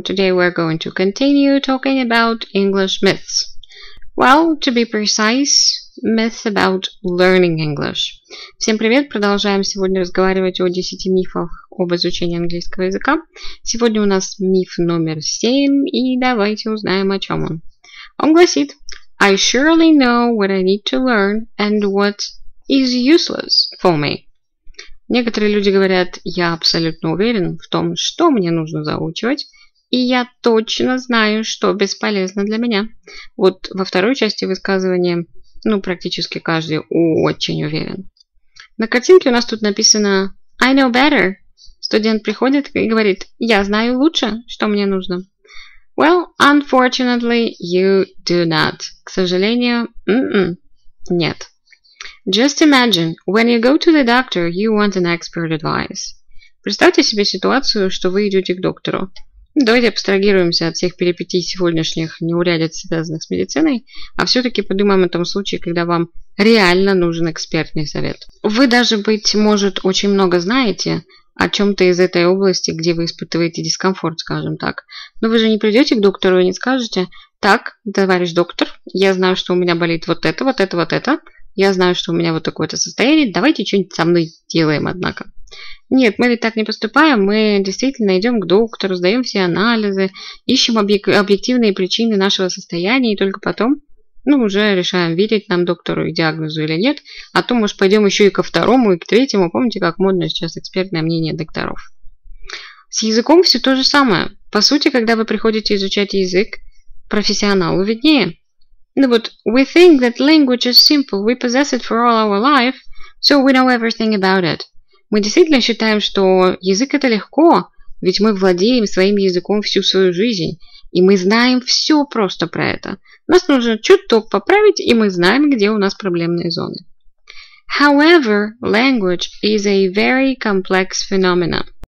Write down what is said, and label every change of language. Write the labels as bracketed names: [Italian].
[English] Today we're going to continue talking about English myths. Well, to be precise, myths about learning English. [Russian] Всем привет! Продолжаем сегодня разговаривать о 10 мифах об изучении английского языка. Сегодня у нас миф номер 7, и давайте узнаем, о чем он. Он гласит, [English] I surely know what I need to learn and what is useless for me. [Russian] Некоторые люди говорят, я абсолютно уверен в том, что мне нужно заучивать, и я точно знаю, что бесполезно для меня. Вот во второй части высказывания, ну, практически каждый очень уверен. На картинке у нас тут написано [English] «I know better». [Russian] Студент приходит и говорит, я знаю лучше, что мне нужно. [English] Well, unfortunately, you do not. [Russian] К сожалению, нет. [English] Just imagine, when you go to the doctor, you want an expert advice. [Russian] Представьте себе ситуацию, что вы идете к доктору. Давайте абстрагируемся от всех перипетий сегодняшних неурядиц, связанных с медициной, а все-таки подумаем о том случае, когда вам реально нужен экспертный совет. Вы даже, быть может, очень много знаете о чем-то из этой области, где вы испытываете дискомфорт, скажем так. Но вы же не придете к доктору и не скажете, «Так, товарищ доктор, я знаю, что у меня болит вот это, вот это, вот это». Я знаю, что у меня вот такое-то состояние, давайте что-нибудь со мной делаем, однако. Нет, мы ведь так не поступаем, мы действительно идем к доктору, сдаем все анализы, ищем объективные причины нашего состояния, и только потом, ну, уже решаем, верить нам доктору и диагнозу или нет, а то, может, пойдем еще и ко второму, и к третьему, помните, как модно сейчас экспертное мнение докторов. С языком все то же самое. По сути, когда вы приходите изучать язык, профессионалу виднее. Ну вот, [English] we think that language is simple, we possess it for all our life, so we know everything about it. [Russian] Мы действительно считаем, что язык это легко, ведь мы владеем своим языком всю свою жизнь, и мы знаем все просто про это. Нас нужно чуток поправить, и мы знаем, где у нас проблемные зоны. [English] However, language is a very complex phenomenon.